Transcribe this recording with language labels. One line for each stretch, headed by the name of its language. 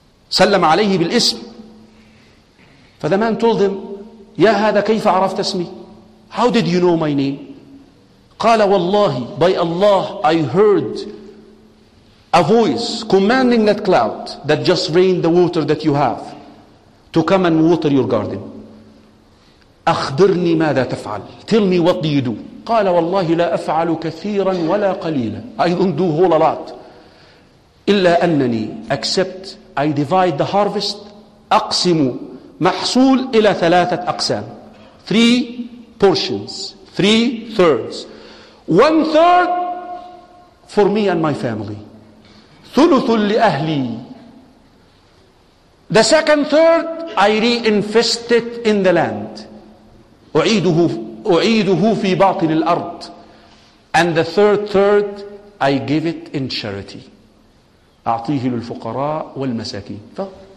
Arabic: Sallam alayhi bil ism.
English: For the man told him,
Arabic: "Ya hada kayfa arafta ismi?
English: How did you know my name?"
Arabic: Qala wallahi,
English: by Allah, I heard a voice commanding that cloud that just rained the water that you have to come and water your garden.
Arabic: أخبرني ماذا تفعل.
English: Tell me what do you do.
Arabic: قال والله لا أفعل كثيرا ولا قليلا.
English: I don't do whole a lot.
Arabic: إلا أنني
English: accept, I divide the harvest,
Arabic: أقسم محصول إلى ثلاثة أقسام.
English: Three portions, three thirds. One third for me and my family.
Arabic: ثلث لأهلي.
English: The second third, I reinvest it in the land.
Arabic: أعيده في باطن الأرض.
English: And the third third, I give it in charity.
Arabic: أعطيه للفقراء والمساكين.